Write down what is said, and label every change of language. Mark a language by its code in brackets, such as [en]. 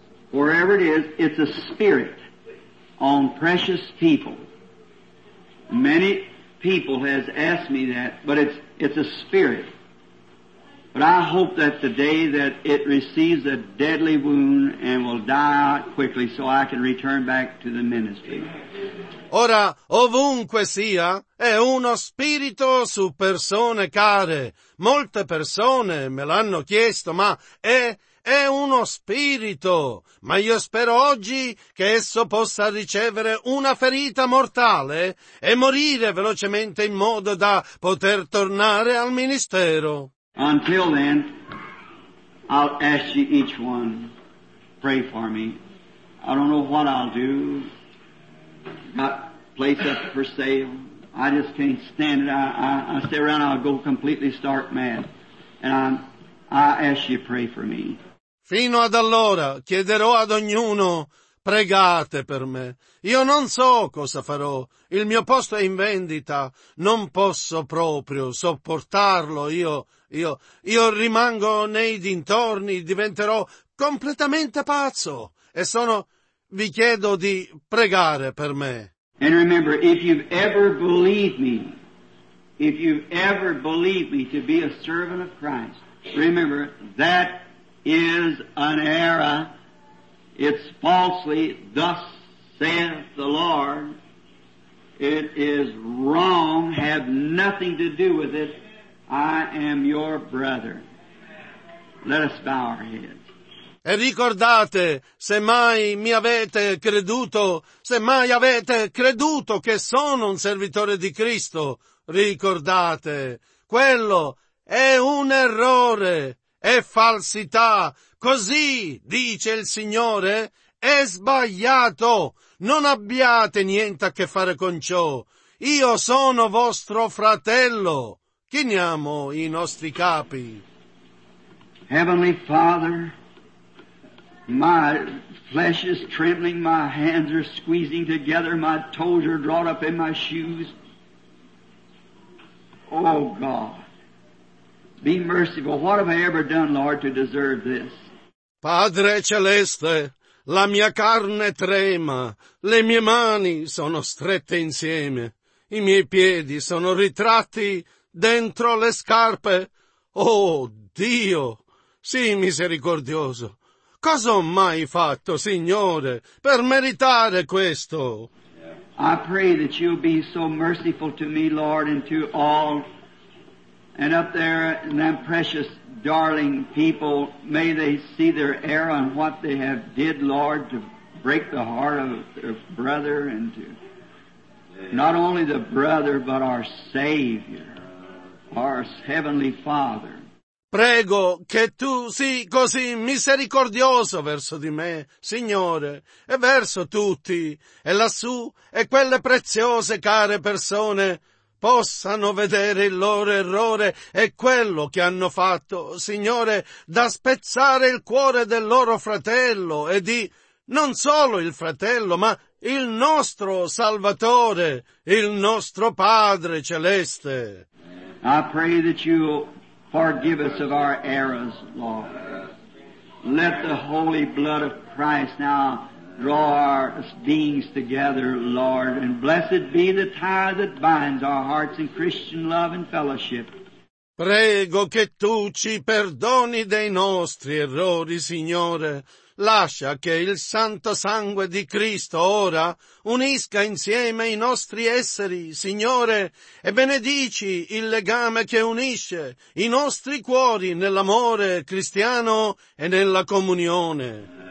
[en] Wherever it is, it's a spirit on precious people. Many people has asked me that, but it's a spirit. But I hope that the day that it receives a deadly wound and will die out quickly so I can return back to the ministry. [it] Ora, ovunque sia, è uno spirito su persone care. Molte persone me l'hanno chiesto, ma è uno spirito. Ma io spero oggi che esso possa ricevere una ferita mortale e morire velocemente in modo da poter tornare al ministero. [en] Until then, I'll ask you each one, pray for me. I don't know what I'll do. Got place up for sale. I just can't stand it. I stay around, I'll go completely stark mad. And I ask you, pray for me. [it] Fino ad allora, chiederò ad ognuno, pregate per me. Io non so cosa farò. Il mio posto è in vendita. Non posso proprio sopportarlo. Io rimango nei dintorni, diventerò completamente pazzo. E sono, vi chiedo di pregare per me. [en] And remember, if you've ever believed me, if you've ever believed me to be a servant of Christ, remember, that is an error. It's falsely, thus saith the Lord. It is wrong, have nothing to do with it. I am your brother. Let us bow our heads. [it] E ricordate, se mai mi avete creduto, se mai avete creduto che sono un servitore di Cristo, ricordate, quello è un errore, è falsità. Così, dice il Signore, è sbagliato. Non abbiate niente a che fare con ciò. Io sono vostro fratello. Chiniamo i nostri capi. [en] Heavenly Father, my flesh is trembling, my hands are squeezing together, my toes are drawn up in my shoes. Oh God, be merciful. What have I ever done, Lord, to deserve this? [it] Padre Celeste, la mia carne trema, le mie mani sono strette insieme, i miei piedi sono ritratti dentro le scarpe. Oh Dio, sii misericordioso. Cosa ho mai fatto, Signore, per meritare questo? [en] I pray that you'll be so merciful to me, Lord, and to all, and up there in that precious darling people, may they see their error on what they have did, Lord, to break the heart of their brother and to not only the brother, but our Savior, our Heavenly Father. [it] Prego che tu sii così misericordioso verso di me, Signore, e verso tutti, e lassù, e quelle preziose care persone possano vedere il loro errore e quello che hanno fatto, Signore, da spezzare il cuore del loro fratello e di non solo il fratello, ma il nostro Salvatore, il nostro Padre Celeste. [en] I pray that you forgive us of our errors, Lord. Let the holy blood of Christ now draw our beings together, Lord, and blessed be the tie that binds our hearts in Christian love and fellowship. [it] Prego che tu ci perdoni dei nostri errori, Signore. Lascia che il santo sangue di Cristo ora unisca insieme i nostri esseri, Signore, e benedici il legame che unisce i nostri cuori nell'amore cristiano e nella comunione.